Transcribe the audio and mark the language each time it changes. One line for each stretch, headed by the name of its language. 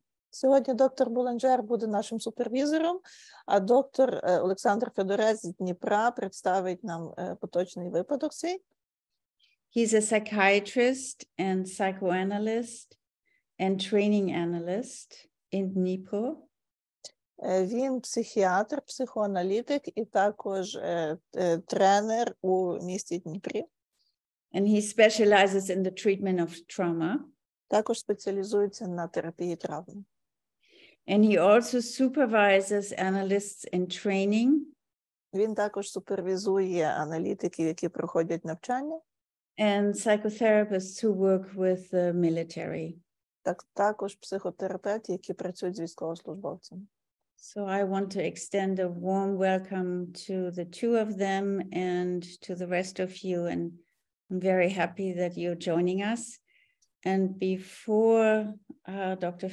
Ukrainian: Сьогодні доктор Буланжер буде нашим супервізором, а доктор Олександр Федорець з Дніпра представить нам поточний випадок свій.
English: He's a psychiatrist and psychoanalyst and training analyst in Dnipro.
Ukrainian: Він психіатр, психоаналітик і також тренер у місті Дніпрі.
English: And he specializes in the treatment of trauma.
Ukrainian: Також спеціалізується на терапії травм.
English: And he also supervises analysts in training.
Ukrainian: Він також супервізує аналітиків, які проходять навчання.
English: And psychotherapists who work with the military.
Ukrainian: Також психотерапевти, які працюють з військовослужбовцями.
English: So I want to extend a warm welcome to the two of them and to the rest of you. And I'm very happy that you're joining us. And before Dr.